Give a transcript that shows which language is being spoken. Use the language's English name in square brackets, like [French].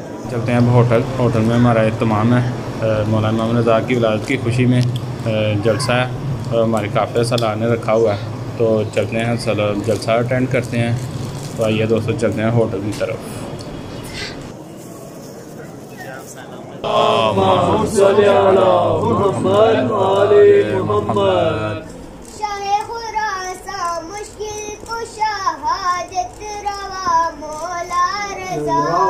[Urdu] چلتے ہیں اب ہوٹل. ہوٹل میں ہمارا اہتمام ہے, مولانا محمد رضا کی ولادت کی خوشی میں جلسہ ہے, ہمارے کافی سالان نے رکھا ہوا ہے. تو چلتے ہیں جلسہ اٹینڈ کرتے ہیں. تو آئیے دوستوں چلتے ہیں ہوٹل کی طرف. [Arabic] اللهم صل على محمد وعلى محمد [Urdu] شاہ خورا سا مشکل کشا حاجت روا مولا رضا